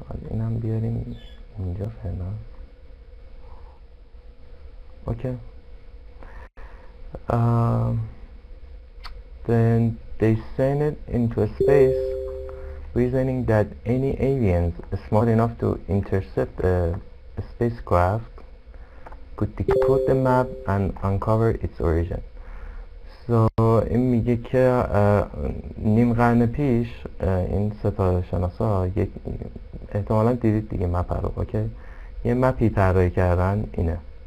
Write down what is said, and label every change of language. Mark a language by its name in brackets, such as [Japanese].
[Persian] این هم بیاریم اینجا فعلا. [English] Then they sent it into a space, reasoning that any aliens smart enough to intercept the spacecraft could decode the map and uncover its origin. [Persian] So این میگه که نیم قرن پیش این ستاره شناسا یک احتمالا دیدید دیگه مپ رو، اوکی، یه مپی طراحی کردن، اینه